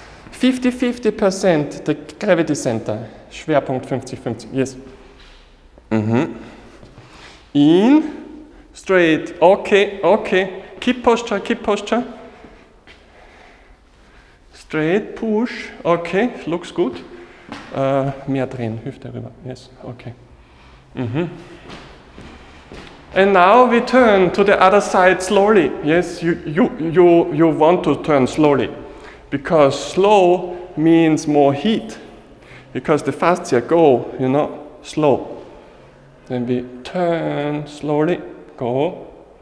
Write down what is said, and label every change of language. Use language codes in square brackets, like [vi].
[en] 50-50% the gravity center. Schwerpunkt 50-50, yes. In, straight, okay, okay. Keep posture, keep posture. Straight, push, okay, looks good. [de] Mehr drehen, Hüfte rüber, yes, okay. [en] And now we turn to the other side slowly. Yes, you want to turn slowly because slow means more heat. Because the faster go, you know, slow. Then we turn slowly, go.